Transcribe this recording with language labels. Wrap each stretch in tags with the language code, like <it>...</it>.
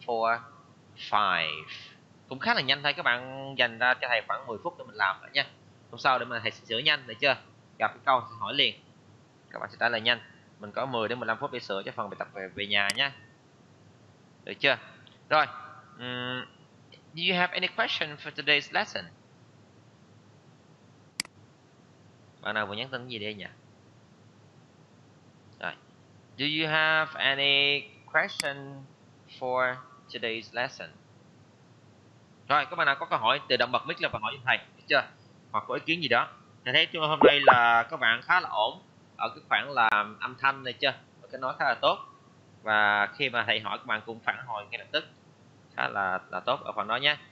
<vi>1, 2, 3, 4, 5. Cũng khá là nhanh thôi. Các bạn dành ra cho thầy khoảng 10 phút để mình làm đó nha. Hôm sau để mà thầy sửa nhanh, được chưa? Gặp cái câu thì hỏi liền. Các bạn sẽ trả lời nhanh. Mình có 10 đến 15 phút để sửa cho phần bài tập về nhà nha. Được chưa? Rồi.</vi> <en>Do you have any question for today's lesson?</en> <vi>Bạn nào vừa nhắn tin gì đây nhỉ? Rồi.</vi> <en>Do you have any question for today's lesson?</en> <vi>Rồi, các bạn nào có câu hỏi tự động bật mic lên và hỏi cho thầy, được chưa? Hoặc có ý kiến gì đó. Thầy thấy chúng hôm nay là các bạn khá là ổn. Ở cái khoảng là âm thanh này chưa, và cái nói khá là tốt. Và khi mà thầy hỏi các bạn cũng phản hồi ngay lập tức. Khá là tốt ở phần đó nha.</vi>